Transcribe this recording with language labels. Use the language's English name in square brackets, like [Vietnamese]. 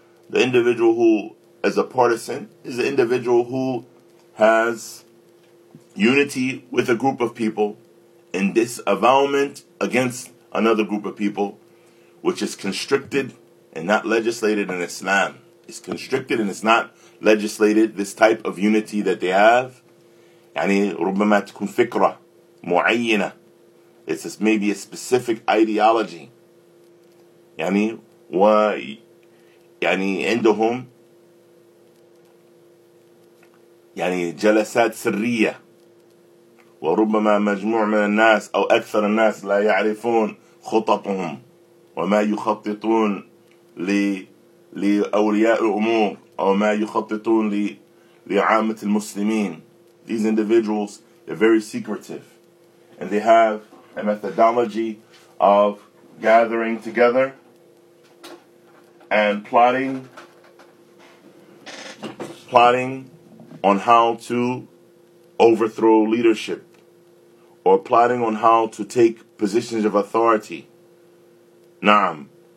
[English] The individual who is a partisan is the individual who has unity with a group of people and disavowment against another group of people, which is constricted and not legislated in Islam. It's constricted and it's not legislated, this type of unity that they have. [Arabic] يعني ربما تكون فكرة معينة. [English] It's just maybe a specific ideology. [Arabic] يعني و يعني عندهم يعني جلسات سرية. وربما مجموع من الناس أو أكثر الناس لا يعرفون خططهم وما يخططون لأولياء الأمور أو ما يخططون لعامة المسلمين. [English] These individuals are very secretive and they have a methodology of gathering together and plotting on how to overthrow leadership, or plotting on how to take positions of authority. Naam.